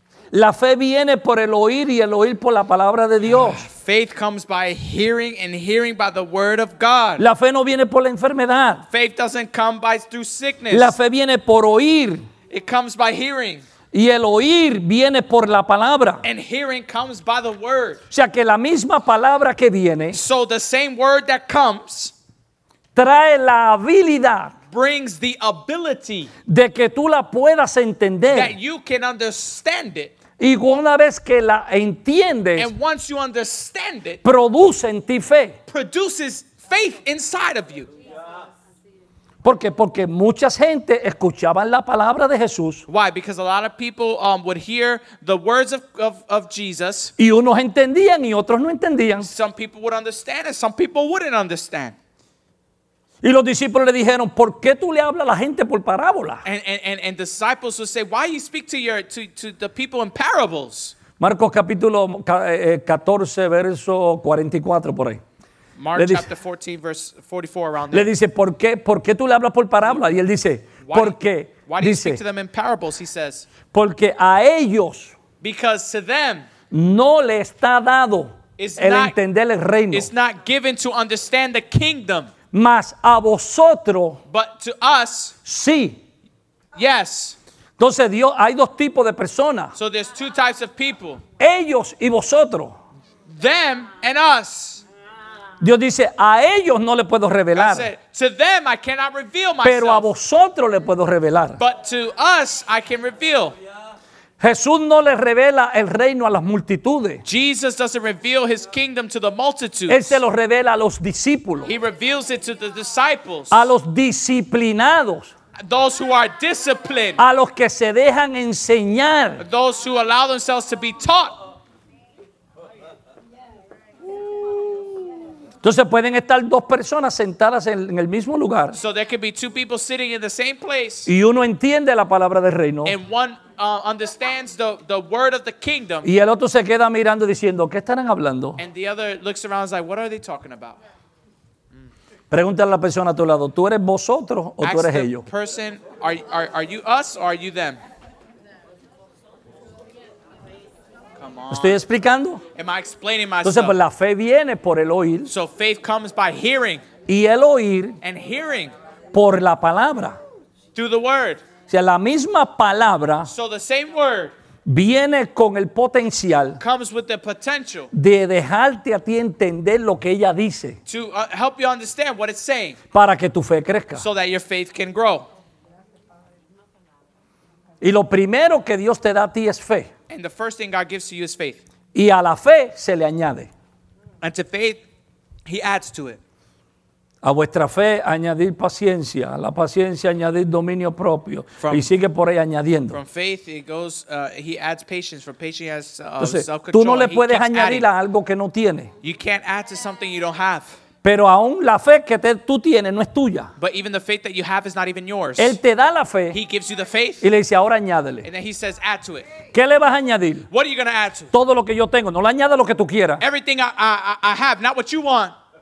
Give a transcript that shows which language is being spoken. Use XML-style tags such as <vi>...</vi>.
<es>La fe viene por el oír y el oír por la palabra de Dios.</es> <en>Faith comes by hearing and hearing by the word of God.</en> <es>La fe no viene por la enfermedad.</es> <en>Faith doesn't come by through sickness.</en> <es>La fe viene por oír.</es> <en>It comes by hearing.</en> <es>Y el oír viene por la palabra.</es> <en>And hearing comes by the word.</en> <es>O sea que la misma palabra que viene.</es> <en>So the same word that comes.</en> <es>Trae la habilidad.</es> <en>Brings the ability.</en> <es>De que tú la puedas entender.</es> <en>That you can understand it.</en> <es>Y una vez que la entiendes.</es> <en>And once you understand it.</en> <es>Produce en ti fe.</es> <en>Produces faith inside of you.</en> <es>¿Por qué? Porque mucha gente escuchaban la palabra de Jesús.</es> <en>Why? Because a lot of people would hear the words of Jesus.</en> <es>Y unos entendían y otros no entendían.</es> <en>Some people would understand and some people wouldn't understand.</en> <es>Y los discípulos le dijeron, ¿por qué tú le hablas a la gente por parábola?</es> <en>And disciples would say, why you speak to the people in parables?</en> <es>Marcos capítulo 14, verso 44, por ahí.</es> <en>Mark</en> <es>dice,</es> <en>chapter 14, verse 44, around there.</en> <es>Le dice, ¿por qué tú le hablas por parábola? Y él dice, ¿por qué?</es> <en>Why do you speak to them in parables? He says,</en> <es>porque a ellos,</es> <en>because to them,</en> <es>no le está dado el entender el reino.</es> <en>It's not given to understand the kingdom.</en> <es>Mas a vosotros,</es> <en>but to us,</en> <es>sí.</es> <en>Yes.</en> <es>Entonces, Dios, hay dos tipos de personas.</es> <en>So there's two types of people.</en> <es>Ellos y vosotros.</es> <en>Them and us.</en> <es>Dios dice, a ellos no le puedo revelar.</es> <en>Said, to them I cannot reveal myself.</en> <es>Pero a vosotros le puedo revelar.</es> <en>But to us I can reveal.</en> <es>Jesús no le revela el reino a las multitudes.</es> <en>Jesus doesn't reveal his kingdom to the multitudes.</en> <es>Él se lo revela a los discípulos.</es> <en>He reveals it to the disciples.</en> <es>A los disciplinados.</es> <en>Those who are disciplined.</en> <es>A los que se dejan enseñar.</es> <en>Those who allow themselves to be taught.</en> <es>Entonces pueden estar dos personas sentadas en el mismo lugar.</es> <en>So there could be two people sitting in the same place.</en> <es>Y uno entiende la palabra del reino.</es> <en>And one understands the word of the kingdom.</en> <es>Y el otro se queda mirando diciendo, ¿qué estarán hablando?</es> <en>And the other looks around like, what are they talking about?</en> <es>Pregúntale a la persona a tu lado, ¿tú eres vosotros o</es> <en>ask</en> <es>tú eres</es> <en>the</en> <es>ellos?</es> <en>Person, are you us or are you them?</en> <es>¿Estoy explicando?</es> <en>Am I explaining myself?</en> <es>Entonces, pues, la fe viene por el oír.</es> <en>So faith comes by hearing.</en> <es>Y el oír.</es> <en>And hearing.</en> <es>Por la palabra.</es> <en>Through the word.</en> <es>O sea, la misma palabra.</es> <en>So the same word.</en> <es>Viene con el potencial.</es> <en>Comes with the potential.</en> <es>De dejarte a ti entender lo que ella dice.</es> <en>To help you understand what it's saying.</en> <es>Para que tu fe crezca.</es> <en>So that your faith can grow.</en> <es>Y lo primero que Dios te da a ti es fe.</es> <en>And the first thing God gives to you is faith.</en> <es>Y a la fe se le añade.</es> <en>And to faith, he adds to it.</en> <es>A vuestra fe añadir paciencia. A la paciencia añadir dominio propio.</es> <en>From,</en> <es>y sigue por ahí añadiendo.</es> <en>From faith, it goes, he adds patience. From patience, he adds</en> <es>entonces,</es> <en>self-control.</en> <es>Tú no le puedes añadir</es> <en>adding.</en> <es>A algo que no tiene.</es> <en>You can't add to something you don't have.</en> <es>Pero aún la fe que tú tienes no es tuya.</es> <en>But even the faith that you have is not even yours.</en> <es>Él te da la fe.</es> <en>He gives you the faith.</en> <es>Y le dice, ahora añádele.</es> <en>And then he says, add to it.</en> <es>¿Qué le vas a añadir?</es> <en>What are you going to add to?</en> <es>Todo lo que yo tengo. No le añades lo que tú quieras.</es> <en>Everything I have, not what you want.</en>